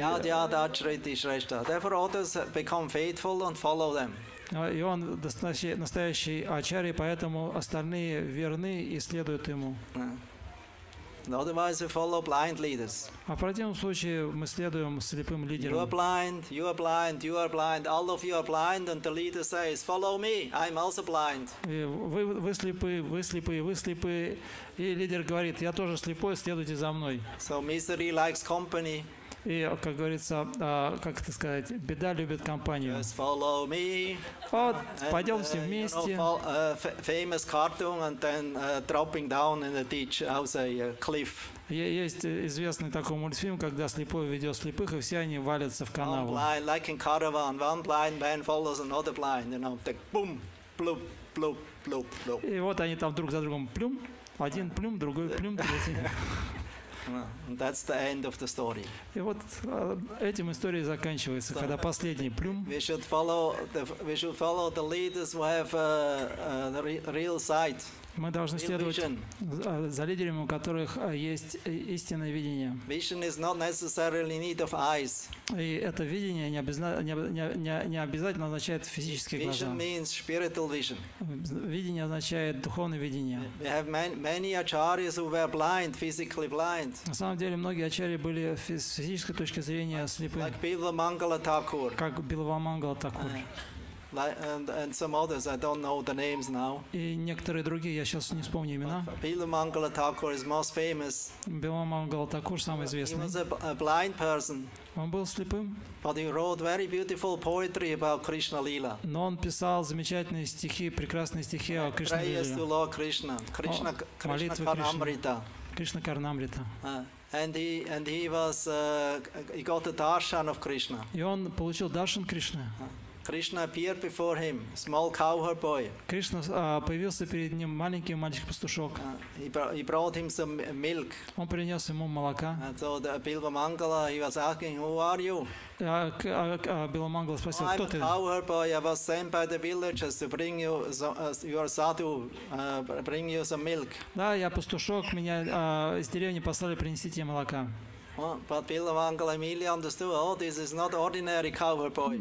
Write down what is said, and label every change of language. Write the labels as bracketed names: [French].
[Sanskrit] Yad acharyati shrestha. [English] Therefore, others become faithful and follow them. [Russian] И он настоящий ачарья, поэтому остальные верны и следуют ему. [English] Otherwise, we follow blind leaders. [Russian] А в противном случае мы следуем слепым лидерам. [English] You are blind, you are blind, you are blind. All of you are blind, and the leader says, "Follow me. I'm also blind." [Russian] Вы слепы, вы слепы, вы слепы. И лидер говорит: "Я тоже слепой, следуйте за мной." [English] So misery likes company. [Russian] И, как говорится, как это сказать, беда любит компанию. [English] Just follow me. [Russian] Вот, пойдем все вместе. [English] You know, famous cartoon and then dropping down in the ditch, I'll say, cliff. [Russian] Есть известный такой мультфильм, когда слепой ведет слепых, и все они валятся в канаву. [English] One blind, like in caravan, one blind man follows another blind, you know, [Russian] так бум, плюп, плюп, плюп, плюп. И вот они там друг за другом плюм, один плюм, другой плюм, третий. [English] And that's the end of the story. [Russian] И вот этим история заканчивается, когда последний плюм. [English] We should follow the leaders who have real sight. [Russian] Мы должны следовать за лидерами, у которых есть истинное видение. [English] Vision is not necessarily need of eyes. [Russian] И это видение не обязательно означает физические глаза. [English] Vision means spiritual vision. [Russian] Видение означает духовное видение. [English] We have many acharyas who were blind, physically blind. [Russian] На самом деле многие ачарьи были с физической точки зрения слепы. [English] Like Bilva Mangala Thakur. [Russian] Как Билва Мангала Такур. [English] And some others, I don't know the names now. [Russian] И некоторые другие, я сейчас не вспомню имена. [English] Билва Мангала Такур is most famous. [Russian] Билва Мангала Такур самый известный. [English] He was a blind person. [Russian] Он был слепым. [English] But he wrote very beautiful poetry about Krishna Lila. [Russian] Но он писал замечательные стихи, прекрасные стихи о Кришне. [English] Prayers to Lord Krishna. Krishna Karnamrita. [Russian] Кришна Карнамрита. [English] And he got the darshan of Krishna. [Russian] И он получил даршан Кришны. [English] Krishna appeared before him, small cowherd boy. [Russian] Кришна появился перед ним маленький мальчик-пастушок. [English] He brought him some milk. [Russian] Он принес ему молока. [English] And so the Bilba Mangala, he was asking, who are you? [Russian] Bilba Mangala спросил, кто ты? [English] I'm a cowherd boy. I was sent by the villagers to bring you your sadhu, bring you some milk. [Russian] Да, я пастушок, меня из деревни послали принести тебе молока. [English] But Bilba Mangala immediately understood, oh, this is not ordinary cowherd boy.